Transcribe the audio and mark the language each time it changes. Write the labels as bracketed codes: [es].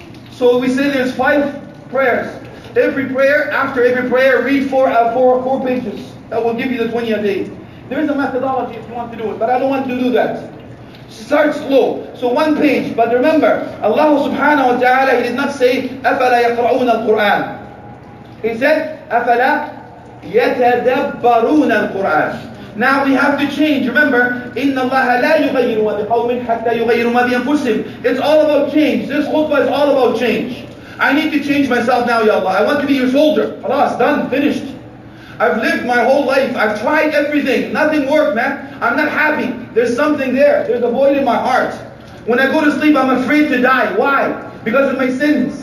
[en] So we say there's five prayers. Every prayer, after every prayer, read four pages. That will give you the 20 a day. There is a methodology if you want to do it, but I don't want to do that. Start slow. So one page, but remember, Allah subhanahu wa ta'ala, He did not say, [ar] أَفَلَا يَقْرَعُونَ الْقُرْآنَ. [en] He said, [ar] أَفَلَا يَتَدَبَّرُونَ الْقُرْآنَ. [en] Now we have to change. Remember, [ar] إِنَّ اللَّهَ لَا يُغَيِّرُ مَا بِقَوْمٍ حَتَّى يُغَيِّرُ مَا بِأَنفُسِهِمْ. [en] It's all about change. This khutbah is all about change. I need to change myself now, Ya Allah. I want to be your soldier. Khalas, done, finished. I've lived my whole life. I've tried everything. Nothing worked, man. I'm not happy. There's something there. There's a void in my heart. When I go to sleep, I'm afraid to die. Why? Because of my sins.